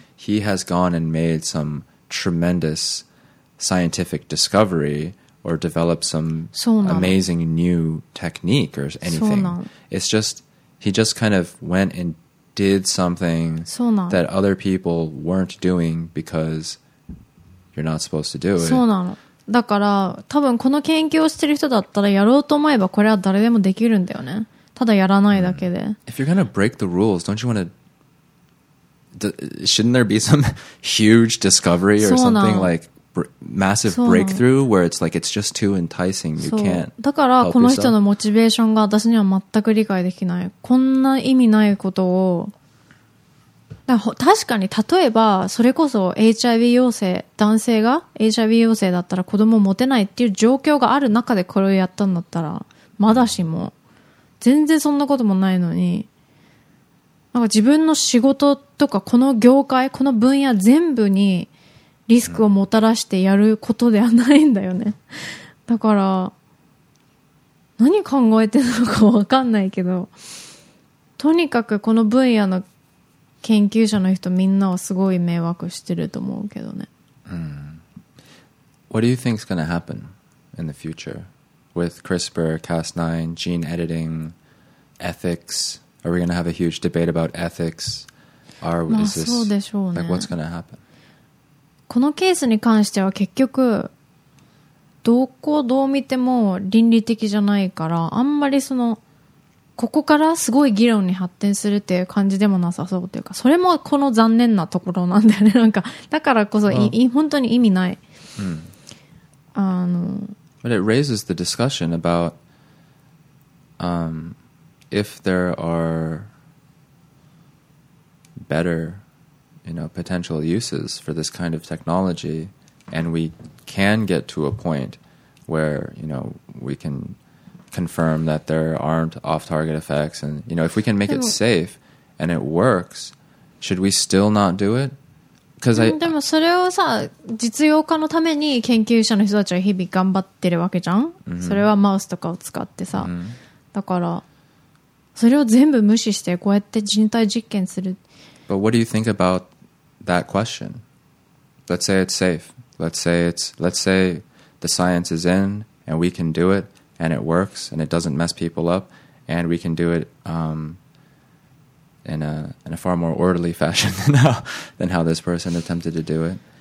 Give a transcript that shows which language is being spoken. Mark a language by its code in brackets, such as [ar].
[en] He has gone and made some tremendous scientific discovery or developed some amazing new technique or anything. It's just, he just kind of went and did something that other people weren't doing because you're not supposed to do it. [ja] そうなの。だから多分この研究をしてる人だったらやろうと思えばこれは誰でもできるんだよね。ただやらないだけで。 [en] If you're gonna break the rules, don't you want toshouldn't there be some huge discovery or something like massive breakthrough where it's like it's just too enticing? You can't. [ja] だからこの人のモチベーションが私には全く理解できない。こんな意味ないことを、だから確かに例えばそれこそ HIV 陽性、男性が HIV 陽性だったら子供を持てないっていう状況がある中でこれをやったんだったら、まだしも全然そんなこともないのに。なんか自分の仕事とかこの業界この分野全部にリスクをもたらしてやることではないんだよね。だから何考えてるのか分かんないけど、とにかくこの分野の研究者の人みんなはすごい迷惑してると思うけどね。 [en] What do you think is going to happen in the future with CRISPR, Cas9, gene editing, ethics? Are we going to have a huge debate about ethics? Is this, what's going to happen? [ja] このケースに関しては結局どこどう見ても倫理的じゃないからあんまりそのここからすごい議論に発展するっていう感じでもなさそうというかそれもこの残念なところなんだよねなんかだからこそ本当に意味ない、 [en] But it raises the discussion about if there are better you know, potential uses for this kind of technology and we can get to a point where you know, we can confirm that there aren't off-target effects and you know, if we can make it safe and it works, should we still not do it? [ja] でもそれをさ実用化のために研究者の人たちは日々頑張ってるわけじゃん、mm-hmm. それはマウスとかを使ってさ、mm-hmm. だからそれを全部無視してこうやって人体実験する。 [en] But what do you think about that question? Let's say it's safe. Let's say the science is in and we can do it and it works and it doesn't mess people up and we can do it in a far more orderly fashion than how this person attempted to do it.